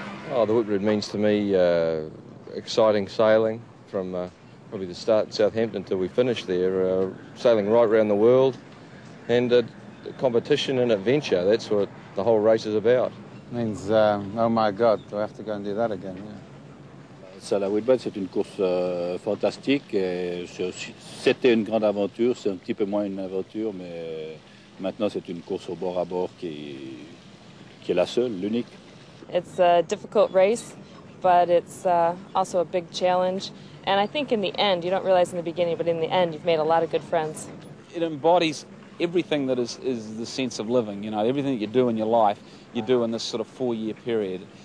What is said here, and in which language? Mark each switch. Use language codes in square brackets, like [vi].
[en] Oh, the Whitbread means to me exciting sailing from probably the start in Southampton till we finish there, sailing right around the world, and competition and adventure, that's what the whole race is about. Means, oh my God, do I have to go and do that again? Yeah. [fr] Ça, la Whitbread, c'est une course fantastique. Et c'était une grande aventure, c'est un petit peu moins une aventure, mais maintenant c'est une course au bord à bord qui est la seule, l'unique. [en] It's a difficult race, but it's also a big challenge. And I think in the end, you don't realize in the beginning, but in the end, you've made a lot of good friends. It embodies everything that is the sense of living. You know, everything that you do in your life, you do in this sort of 4-year period.